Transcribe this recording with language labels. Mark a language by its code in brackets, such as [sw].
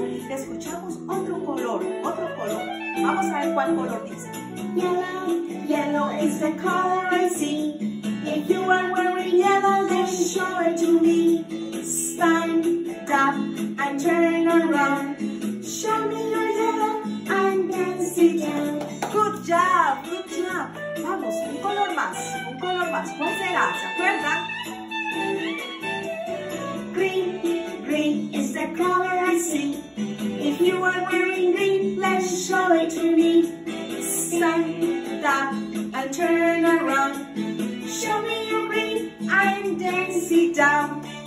[es] Escuchamos otro color, vamos a ver cuál color dice. [en] Yellow, yellow is the color I see. If you are wearing yellow, then show it to me. Stand up and turn around. Show me your yellow and then sit down. Good job, good job. [es] Vamos, un color más, un color más. ¿Cuál será? ¿Se acuerdan? [en] Green, green is the color I see. If you are wearing green, let's show it to me. Stand up and turn around. show me your ring. I'm Daisy Dow.